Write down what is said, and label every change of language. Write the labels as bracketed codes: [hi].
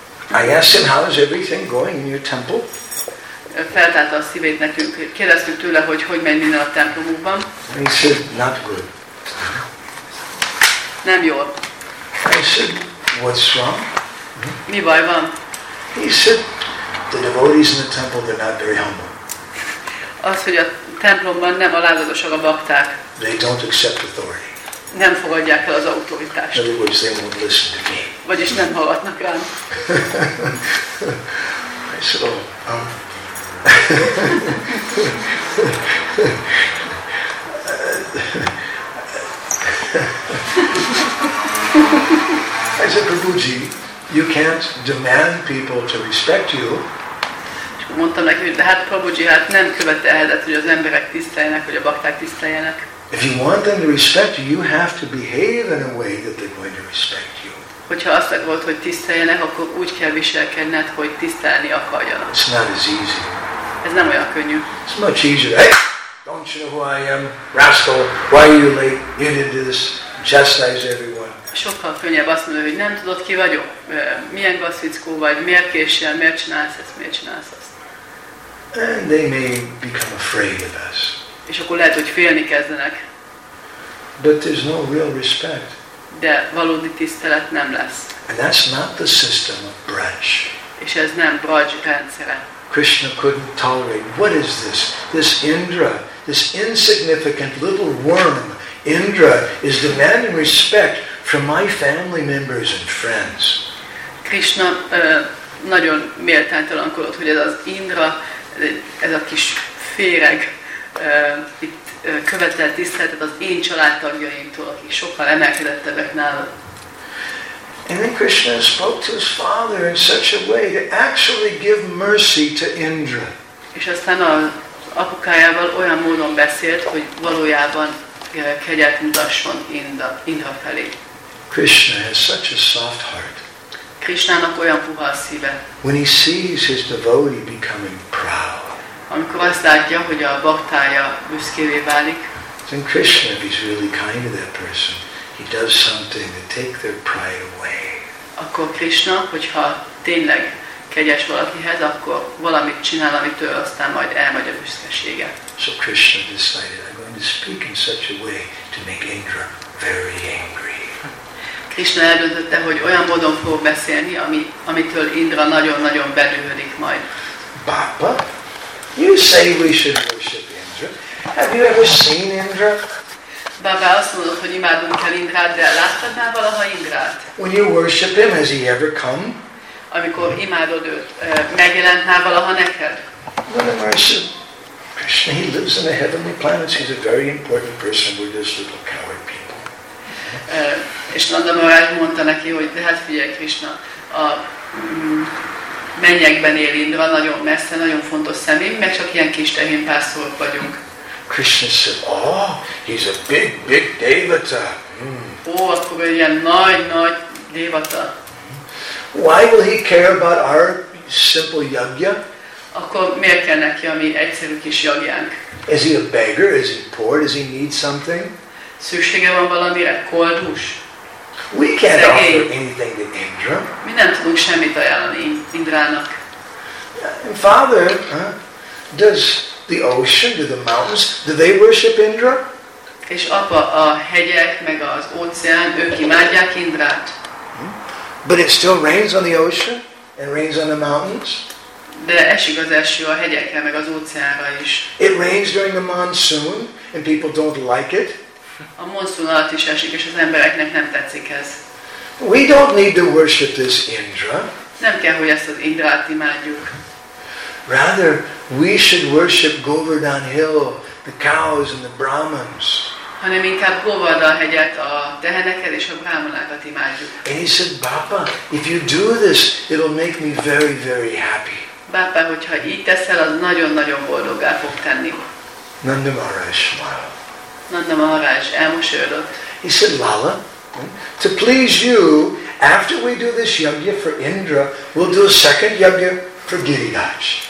[en] I asked him, how is everything going in your temple? [hu] Feltárta a szívét nekünk. Kérdeztük tőle, hogy megy minden a templomukban. [en] He said, not good. [hu] Nem jól. [en] I said, what's wrong? [hu] Mi baj van? [en] He said, the devotees in the temple, they're not very humble. [hu] Az, hogy a templomban nem alázatosak a bakták. [en] They don't accept authority. [hu] Nem fogadják el az autoritást. [en] In other words, they won't listen to me. [hu] Vagyis nem hallgatnak rám. [en] I said, Prabhuji, You can't demand people to respect you. [hu] És akkor mondtam neki, hogy de hát Prabhuji, hát nem követelhetett, hogy az emberek tiszteljenek, hogy a bakták tiszteljenek. [en] If you want them to respect you, you have to behave in a way that they're going to respect you. [hu] Hogyha azt akarod, hogy tiszteljenek, akkor úgy kell viselkedned, hogy tisztelni akarjanak. [en] It's not as easy. [hu] Ez nem olyan könnyű. [en] It's much easier. Hey, don't you know who I am? Rascal, why are you late? You didn't do this. Chastise everyone. [hu] Sokkal könnyebb azt mondani, hogy nem tudod, ki vagyok. Milyen gazvickó vagy, miért késsel, miért csinálsz ezt, miért csinálsz ezt. [en] And they may become afraid of us. [hu] És akkor lehet, hogy félni kezdenek. [en] But there's no real respect. [hu] De valódi tisztelet nem lesz. [en] And that's not the system of Braj. [hu] És ez nem Braj rendszere. [en] Krishna couldn't tolerate. What is this? This Indra, this insignificant little worm. Indra is demanding respect from my family members and friends. [hu] Krishna nagyon méltánytalankodott, hogy ez az Indra, ez a kis féreg, itt követel tiszteletet az én családtagjaimtól, akik sokkal emelkedettebbek nála. [en] And then Krishna spoke to his father in such a way to actually give mercy to Indra. [hu] És aztán az apukájával olyan módon beszélt, hogy valójában kegyet mutasson Indra felé. [en] Krishna has such a soft heart. [hu] Krishnának olyan puha a szíve. [en] When he sees his devotee becoming proud. [hu] Amikor azt látja, hogy a baktája büszkévé válik. [en] Then Krishna, if he's really kind to that person, he does something to take their pride away. [hu] Akkor Krishna, hogyha tényleg kegyes valakihez, akkor valamit csinál, amitől aztán majd elmegy a büszkesége. [en] So Krishna decided, I'm going to speak in such a way to make Indra very angry. [hu] Krishna eldöntötte, hogy olyan módon fog beszélni, amitől Indra nagyon-nagyon bedühödik majd. [en] Bapa, you say we should worship Indra. Have you ever seen Indra? [hu] Bapa, azt mondod, hogy imádunk kell Indrát, de láttad már valaha Indrát? [en] When you worship him, has he ever come? [hu] Amikor imádod őt, megjelent már valaha neked? [en] Krishna, he lives in the heavenly planets. He's a very important person. We're just little coward people. [hu] És Nanda Maharaj mondta neki, hogy de hát figyelj Krishna, a mennyekben él Indra, nagyon messze, nagyon fontos személy, mert csak ilyen kis tehénpásztorok vagyunk. [en] Krishna said, oh, he's a big, big devata. [hu] Ó, akkor egy ilyen nagy, nagy devata. [en] Why will he care about our simple yagya? [hu] Akkor miért kell neki a mi egyszerű kis jagjánk? [en] Is he a beggar? Is he poor? Does he need something? [hu] Szüksége van valamire? Koldus? [en] We can't offer anything to Indra. [hu] Mi nem tudunk semmit ajánlani Indrának. [en] And father, does the ocean, do the mountains, do they worship Indra? [hu] És apa, a hegyek, meg az óceán, ők imádják Indrát. [en] But it still rains on the ocean and rains on the mountains. [hu] De esik az eső a hegyekre, meg az óceánra is. [en] It rains during the monsoon and people don't like it. [hu] A monszun alatt is esik, és az embereknek nem tetszik ez. [en] We don't need to worship this Indra. [hu] Nem kell, hogy ezt az Indrát imádjuk. [en] Rather, we should worship Govardhan Hill, the cows and the Brahmins. [hu] Hanem inkább Govardhan hegyet, a teheneket és a brahmanákat imádjuk. [en] And he said, Bapa, if you do this, it'll make me very, very happy. [hu] Bapa, hogyha így teszel, az nagyon-nagyon boldoggá fog tenni. [en] Nanda Maharaj smiled. [hu] Nanda Maharaj elmosődött. [en] He said, Lala, to please you, after we do this yagya for Indra, we'll do a second yagya for Giriraj.